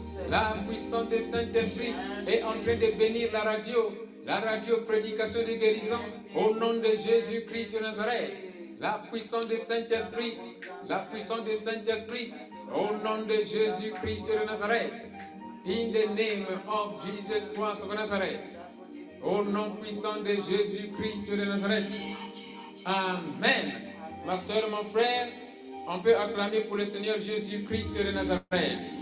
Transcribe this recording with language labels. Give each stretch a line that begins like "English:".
French: La puissance du Saint-Esprit est en train de bénir la radio. La radio prédication des guérisons au nom de Jésus-Christ de Nazareth. La puissance du Saint-Esprit. La puissance du Saint-Esprit au nom de Jésus-Christ de Nazareth.
English: In the name of Jesus Christ of Nazareth.
French: Au nom puissant de Jésus-Christ de Nazareth. Amen. Ma soeur, mon frère, on peut acclamer pour le Seigneur Jésus-Christ de Nazareth.